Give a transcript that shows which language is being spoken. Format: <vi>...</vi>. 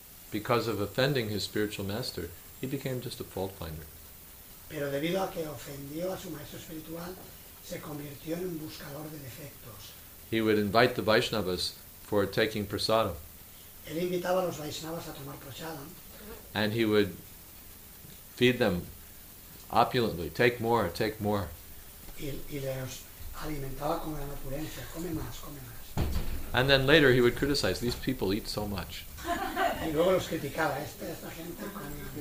<en>Because of offending his spiritual master, he became just a fault finder.</en> <es>Pero debido a que ofendió a su maestro espiritual, se convirtió en un buscador de defectos.</es> <en>He would invite the Vaishnavas for taking prasadam.</en> <es>Él invitaba a los Vaishnavas a tomar prasadam.</es> <en>And he would feed them opulently, take more, take more.</en> <es>Y les alimentaba con gran opulencia, come más, come más.</es> <en>And then later he would criticize, these people eat so much.</en> <es>Y luego los criticaba, esta gente con</es>